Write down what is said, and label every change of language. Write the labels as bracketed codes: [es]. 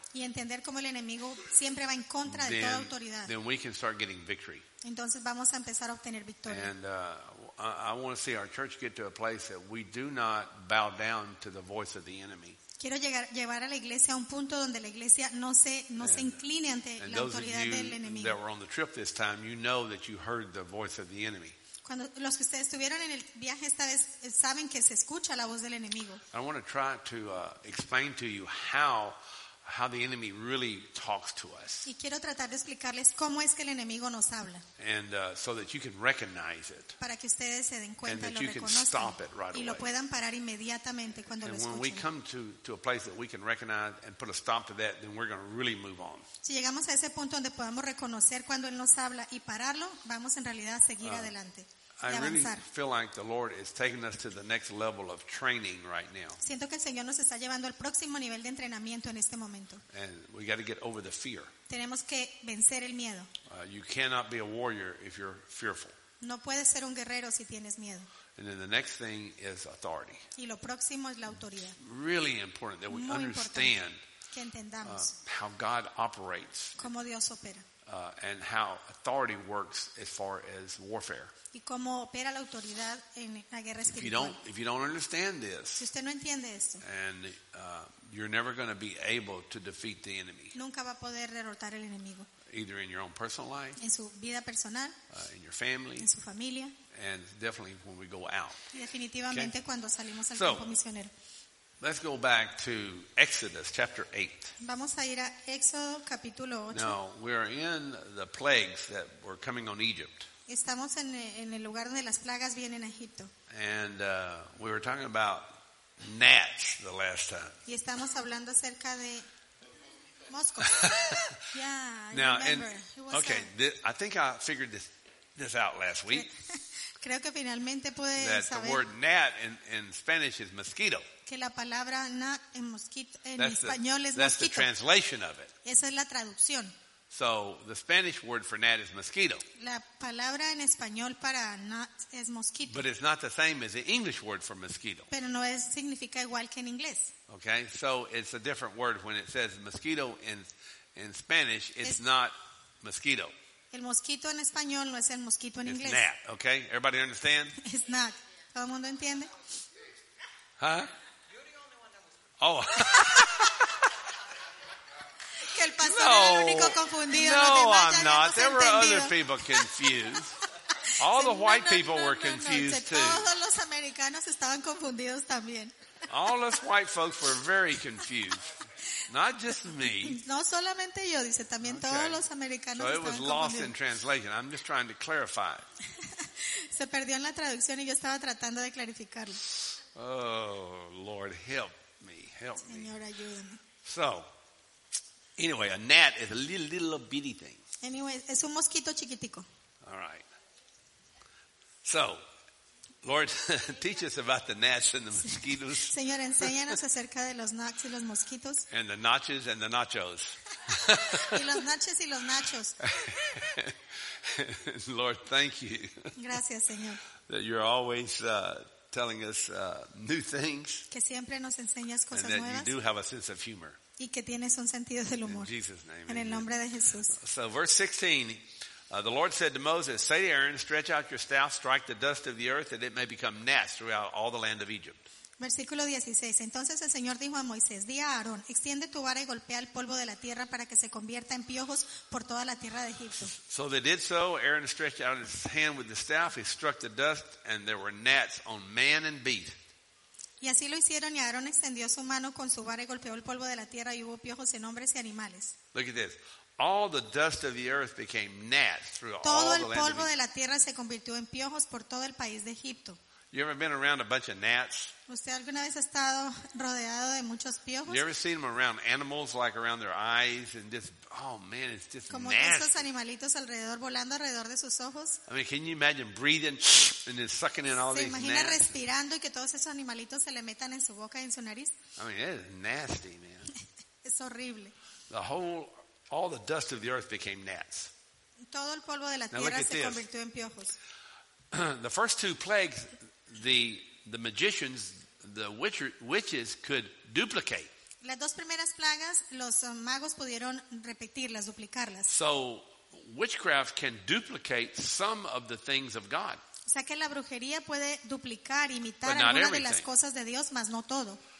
[es] y entender cómo el enemigo siempre va en contra de toda autoridad, [en] then we can start getting victory. [es] Entonces vamos a empezar a obtener victoria. [en] And I want to see our church get to a place that we do not bow down to the voice of the enemy. [es] Quiero llevar a la iglesia a un punto donde la iglesia no se incline ante la autoridad del enemigo. [en] And those of you that were on the trip this time, you know that you heard the voice of the enemy. [es] Cuando los que ustedes estuvieron en el viaje esta vez saben que se escucha la voz del enemigo. [en] I want to try to explain to you how the enemy really talks to us. [es] Y quiero tratar de explicarles cómo es que el enemigo nos habla. [en] And so that you can recognize it. [es] Para que ustedes se den cuenta y lo reconozcan. [en] Right [es] y lo puedan parar inmediatamente cuando [en] and [es] lo escuchen. [en] And when we come to a place that we can recognize and put a stop to that, then we're going to really move on. [es] Si llegamos a ese punto donde podamos reconocer cuando él nos habla y pararlo, vamos en realidad a seguir adelante. [en] I really feel like the Lord is taking us to the next level of training right now. [es] Siento que el Señor nos está llevando al próximo nivel de entrenamiento en este momento. [en] And we got to get over the fear. [es] Tenemos que vencer el miedo. [en] You cannot be a warrior if you're fearful. [es] No puedes ser un guerrero si tienes miedo. [en] And then the next thing is authority. [es] Y lo próximo es la autoridad. [en] Really important that we [es] Muy [en] understand [es] que entendamos [en] how God operates. [es] Cómo Dios opera. [en] And how authority works as far as warfare. [es] Y cómo opera la autoridad en la guerra espiritual. [en] If you don't understand this, [es] si usted no entiende esto, [en] and you're never going to be able to defeat the enemy. [es] Nunca va a poder derrotar el enemigo. [en] Either in your own personal life, [es] en su vida personal, [en] in your family, [es] en su familia, [en] and definitely when we go out. [es] Y definitivamente okay? Cuando salimos al [en] so, [es] campo misionero. [en] Let's go back to Exodus chapter 8. [es] Vamos a ir a Éxodo capítulo 8. [en] Now, we're in the plagues that were coming on Egypt. [es] Estamos en el lugar donde las plagas vienen a Egipto. [en] And we were talking about gnats the last time. [es] Y estamos hablando acerca de moscos. [en] Yeah, now, I remember. And, okay, I think I figured this out last week. [es] Creo que finalmente pude [en] that [es] saber [en] that the word gnat in Spanish is mosquito. [es] Que la palabra gnat en mosquito en español es [en] that's That's the translation of it. [es] Esa es la traducción. [en] So the Spanish word for gnat is mosquito. [es] La palabra en español para gnat es mosquito. [en] But it's not the same as the English word for mosquito. [es] Pero no es significa igual que en inglés. [en] Okay, so it's a different word when it says mosquito in Spanish. It's not mosquito. [es] El mosquito en español no es el mosquito en [en] it's [es] inglés. [en] It's gnat. Okay, everybody understand? It's gnat. [es] Todo el mundo entiende? Huh? Oh. Que el pastor no, era el único confundido. No, los demás ya [en] I'm not. there were [es] entendido. [en] Other people confused. All the white people were confused too. [es] Todos los americanos estaban confundidos también. [en] All us white folks were very confused. Not just me. [es] No solamente yo, dice también okay. Todos los americanos estaban confundidos. [en] So it was lost in translation. I'm just trying to clarify it. [es] Se perdió en la traducción y yo estaba tratando de clarificarlo. [en] Oh, Lord, help me, help me. [es] Señor, ayúdame. [en] So. Anyway, a gnat is a little bitty thing. Anyway, [es] es un mosquito chiquitico. [en] All right. So, Lord, teach us about the gnats and the mosquitoes. [es] Señor, enséñanos acerca de los gnats y los mosquitos. [en] And the nachos and the nachos. [es] Y los nachos y los nachos. [en] Lord, thank you. [es] Gracias, Señor. [en] That you're always telling us new things. [es] Que siempre nos enseñas cosas [en] and that [es] nuevas. [en] You do have a sense of humor. [es] Y que tienes un sentido del humor. [en] In Jesus' name. [es] En el nombre de Jesús. [en] So verse 16, the Lord said to Moses, say to Aaron, stretch out your staff, strike the dust of the earth, that it may become gnats throughout all the land of Egypt. [es] Versículo 16. Entonces el Señor dijo a Moisés, di a Aarón, extiende tu vara y golpea el polvo de la tierra para que se convierta en piojos por toda la tierra de Egipto. [en] So they did so. Aaron stretched out his hand with the staff. He struck the dust and there were gnats on man and beast. [es] Y así lo hicieron y Aarón extendió su mano con su vara y golpeó el polvo de la tierra y hubo piojos en hombres y animales. [en] Look at this. All the dust of the earth became gnats through all the land of Egypt. [es] Todo el polvo de la tierra se convirtió en piojos por todo el país de Egipto. [en] You ever been around a bunch of gnats? [es] ¿Usted alguna vez ha estado rodeado de muchos piojos? [en] You ever seen them around animals, like around their eyes, and just, oh man, it's just [es] como [en] nasty. [es] Como esos animalitos alrededor, volando alrededor de sus ojos. [en] I mean, can you imagine breathing and then sucking in all these gnats? [es] ¿Se imagina respirando y que todos esos animalitos se le metan en su boca y en su nariz? [en] I mean, it is nasty, man. [es] Es horrible. [en] All the dust of the earth became gnats. [es] Todo el polvo de la tierra se convirtió en piojos. [en] The first two plagues, the magicians, the witches could duplicate. [es] Las dos primeras plagas, los magos pudieron repetirlas, duplicarlas. [en] So witchcraft can duplicate some of the things of God. [es] O sea que la brujería puede duplicar, imitar algunas de las cosas de Dios, mas no todo.